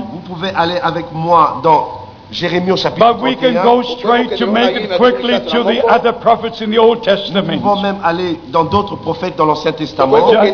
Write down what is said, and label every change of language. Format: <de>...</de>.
<fr>Vous pouvez aller avec moi dans Jérémie au chapitre 31.</fr> <en>But we can go straight to make it quickly to the other prophets in the Old Testament.</en> <fr>Nous pouvons même aller dans d'autres prophètes dans l'Ancien Testament.</fr>